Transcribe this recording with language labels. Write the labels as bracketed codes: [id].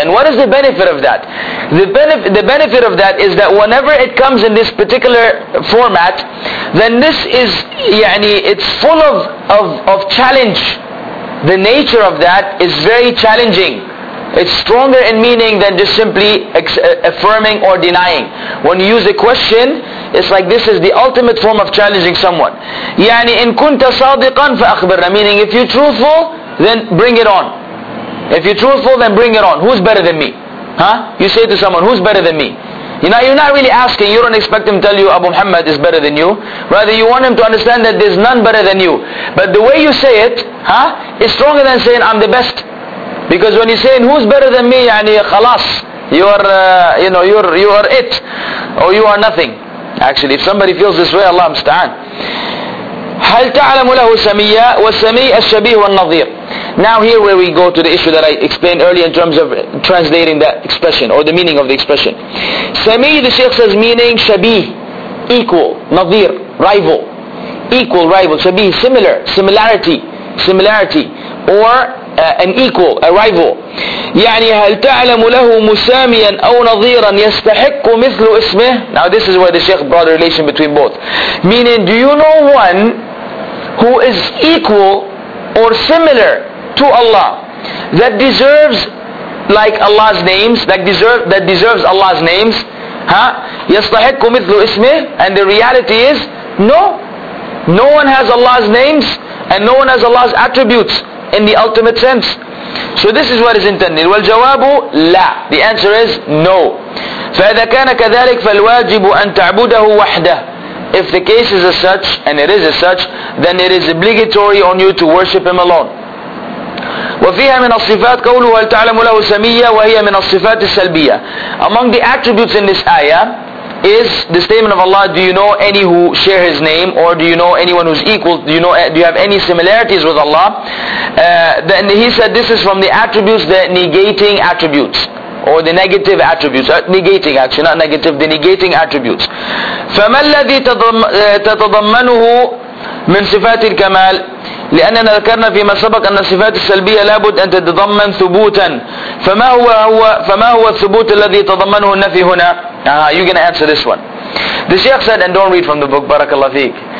[en] And what is the benefit of that? The benefit of that is that whenever it comes in this particular format, then this is, يعني, it's full of challenge. The nature of that is very challenging. It's stronger in meaning than just simply affirming or denying. When you use a question, it's like this is the ultimate form of challenging someone. [ar] يعني إن كنت صادقا فأخبرنا. [en] Meaning, if you're truthful, then bring it on. If you're truthful, then bring it on. Who's better than me? Huh? You say to someone, who's better than me? You know, you're not really asking. You don't expect him to tell you Abu Muhammad is better than you. Rather, you want him to understand that there's none better than you. But the way you say it, huh, is stronger than saying I'm the best. Because when you're saying who's better than me, [ar] يعني خلاص, [en] you are it, or you are nothing. Actually, if somebody feels this way, Allah musta'an. [ar] هل تعلم له سميا والسمي الشبيه والنظير. [en] Now here where we go to the issue that I explained earlier in terms of translating that expression or the meaning of the expression. سمي, the Shaykh says, meaning شبيه, equal, نظير, rival, equal, rival, شبيه, similar, similarity, or an equal, a rival. [ar] يعني هل تعلم له مساميا أو نظيرا يستحق مثل اسمه. [en] Now this is where the Shaykh brought a relation between both. Meaning, do you know one who is equal or similar to Allah that deserves like Allah's names, that deserves Allah's names, huh? [ar] يستحق مثل اسمه. [en] And the reality is no one has Allah's names and no one has Allah's attributes in the ultimate sense. So this is what is intended. [ar] والجواب لا. [en] The answer is no. [ar] فإذا كان كذلك فالواجب أن تعبده وحده. [en] If the case is as such, and it is as such, then it is obligatory on you to worship him alone. [ar] وفيها من الصفات قوله هل تعلم له سمية وهي من الصفات السلبية. [en] Among the attributes in this ayah is the statement of Allah, do you know any who share his name, or do you know anyone who's equal, do you have any similarities with Allah? Then he said this is from the attributes, the negating attributes, or the negative attributes, negating actually, not negative, the negating attributes. [ar] فما الذي تتضمنه من صفات الكمال؟ لأننا ذكرنا فيما سبق أن الصفات السلبية لابد أن تتضمن ثبوتا. فما هو الثبوت الذي تضمنه النفي هنا؟ [en] You're gonna answer this one. The Shaykh said, and don't read from the book, barakallah fiqh.